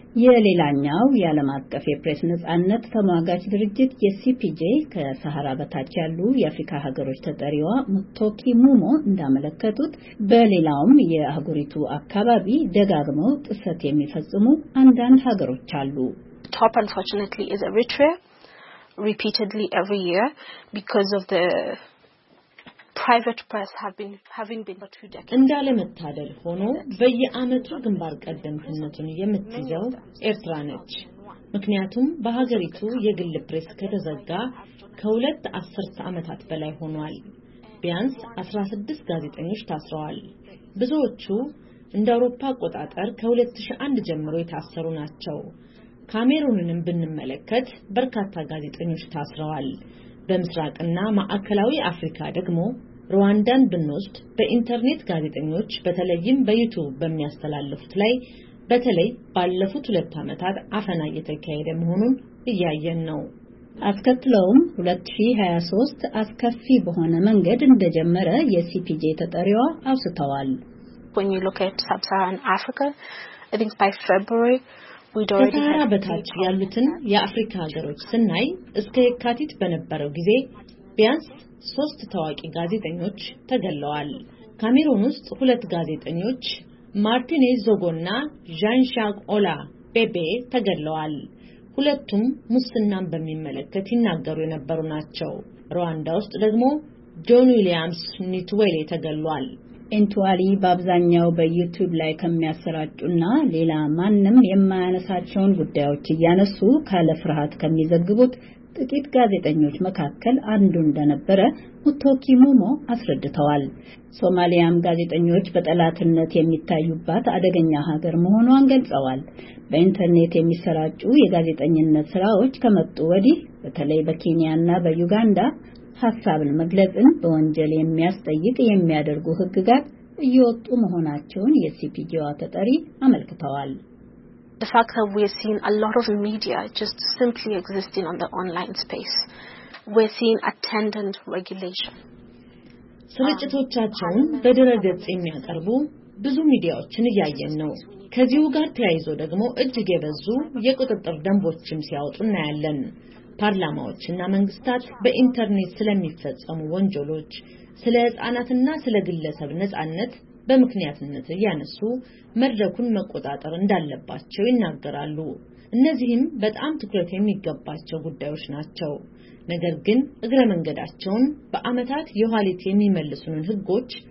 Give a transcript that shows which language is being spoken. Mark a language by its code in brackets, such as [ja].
[am] የሌላኛው የዓለም አቀፍ የፕሬስ ነጻነት ተሟጋች ድርጅት የሲፒጄ ከሳሃራ በታች ያሉ የአፍሪካ ሀገሮች ተጠሪዋ ሙቶኪ ሙሞ እንዳመለከቱት በሌላውም የአህጉሪቱ አካባቢ ደጋግመው ጥሰት የሚፈጽሙ አንዳንድ ሀገሮች አሉ። [en] Top unfortunately is Eritrea. Repeatedly every year because of the private press having been for 2 decades [am] እንዳለመታደል ሆኖ በየአመቱ ግንባር ቀደምትነቱን የምትይዘው ኤርትራ ነች። ምክንያቱም በሀገሪቱ የግል ፕሬስ ከተዘጋ ከሁለት አስርት አመታት በላይ ሆኗል። ቢያንስ 16 ጋዜጠኞች ታስረዋል። ብዙዎቹ እንደ አውሮፓ አቆጣጠር ከ2001 ጀምሮ የታሰሩ ናቸው። ካሜሩንንም ብንመለከት በርካታ ጋዜጠኞች ታስረዋል። በምስራቅና ማዕከላዊ አፍሪካ ደግሞ ሩዋንዳን ብንወስድ በኢንተርኔት ጋዜጠኞች በተለይም በዩቲዩብ በሚያስተላልፉት ላይ በተለይ ባለፉት 2 አመታት አፈና እየተካሄደ መሆኑን እያየን ነው። አስከትለውም 2023 አስከፊ በሆነ መንገድ እንደጀመረ የሲፒጄ ተጠሪዋ አውስተዋል። [en] When you look at Sub-Saharan Africa, I think by February [am] ከሳህራ በታች ያሉትን የአፍሪካ ሀገሮች ስናይ እስከ የካቲት በነበረው ጊዜ ቢያንስ 3 ታዋቂ ጋዜጠኞች ተገለዋል። ካሜሩን ውስጥ 2 ጋዜጠኞች ማርቲኔዝ ዞጎና ዣንሻክ ኦላ ፔፔ ተገለዋል። ሁለቱም ሙስናን በሚመለከት ይናገሩ የነበሩ ናቸው። ሩዋንዳ ውስጥ ደግሞ ጆን ዊሊያምስ ኒትዌሌ ተገለዋል። እንቷሊ በአብዛኛው በዩቲዩብ ላይ ከሚያሰራጩና ሌላ ማንንም የማያነሳቸውን ጉዳዮች እያነሱ ካለፍርሃት ከሚዘግቡት ጥቂት ጋዜጠኞች መካከል አንዱ እንደነበረ ሙቶኪ ሙሞ አስረድተዋል። ሶማሊያም ጋዜጠኞች በጠላትነት የሚታዩባት አደገኛ ሀገር መሆኗን ገልጸዋል። በኢንተርኔት የሚሰራጩ የጋዜጠኝነት ስራዎች ከመጡ ወዲህ በተለይ በኬንያና በዩጋንዳ ሐሳብን መግለጽን በወንጀል የሚያስጠይቅ የሚያደርጉ ህግጋት እየወጡ መሆናቸውን የሲፒጂዋ ተጠሪ አመልክተዋል። [en] The fact that we're seeing a lot of media just simply existing on the online space. We're seeing attendant regulation. [am] ስርጭቶቻቸውን በድረገጽ የሚያቀርቡ ብዙ ሚዲያዎችን እያየን ነው። ከዚሁ ጋር ተያይዞ ደግሞ እጅግ የበዙ የቁጥጥር ደንቦችም ሲያወጡ እናያለን። ፓርላማዎችና መንግስታት በኢንተርኔት ስለሚፈጸሙ ወንጀሎች ስለ ህጻናትና ስለ ግለሰብ ነጻነት በመክንያትነት ያነሱ መድረኩን መቆጣጠር እንዳለባቸው ይናገራሉ። እነዚህም በጣም ትኩረት የሚገባቸው ጉዳዮች ናቸው። ነገር ግን እግረ መንገዳቸውን በአመታት የኋሊት የሚመለሱን ህጎች